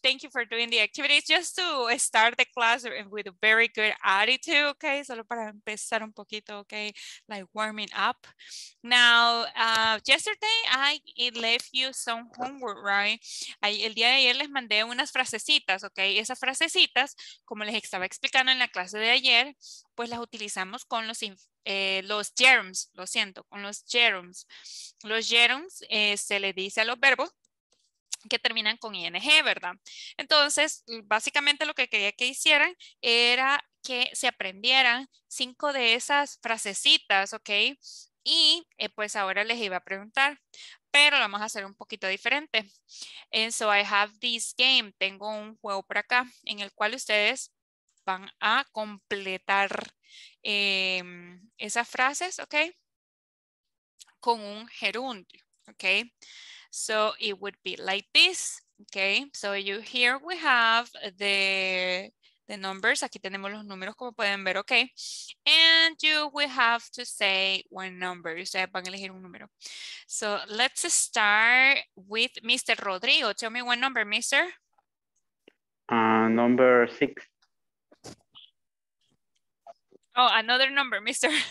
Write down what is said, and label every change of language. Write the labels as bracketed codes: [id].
[en] Thank you for doing the activities just to start the class with a very good attitude, okay? [es] Solo para empezar un poquito, okay? [en] Like warming up. Now, yesterday I left you some homework, right? [es] El día de ayer les mandé unas frasecitas, okay? Esas frasecitas, como les estaba explicando en la clase de ayer, pues las utilizamos con los gerunds, lo siento, con los gerunds. Los gerunds se le dice a los verbos que terminan con ing, ¿verdad? Entonces, básicamente lo que quería que hicieran era que se aprendieran 5 de esas frasecitas, ¿ok? Y pues ahora les iba a preguntar, pero lo vamos a hacer un poquito diferente. [en] And so I have this game, [es] tengo un juego por acá en el cual ustedes van a completar esas frases, ¿ok? Con un gerundio, [en] ¿ok? So it would be like this, ¿ok? So you here we have the numbers. [es] Aquí tenemos los números, como pueden ver, ¿ok? [en] And you will have to say one number. [es] Ustedes van a elegir un número. [en] So let's start with Mr. Rodrigo. Tell me one number, mister. Number 6. Oh, another number, mister.